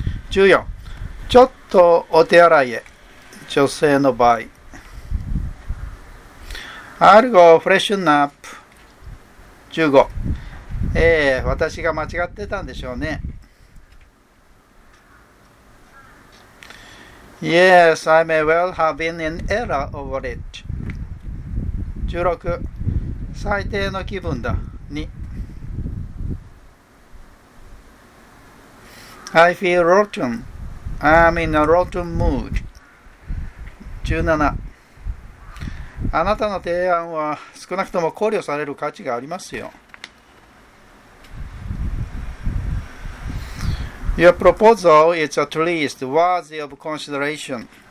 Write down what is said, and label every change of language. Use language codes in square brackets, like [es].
[ja] 14. ちょっとお手洗いへ。女性の場合。 [en] I'll go freshen up. 15. [ja] 私が間違ってたんでしょうね。 [en] Yes, I may well have been in error over it. [ja] 16. 最低の気分だ。2. [en] I feel rotten. I'm in a rotten mood. 17. [ja] あなたの提案は少なくとも考慮される価値がありますよ。 [en] Your proposal is at least worthy of consideration.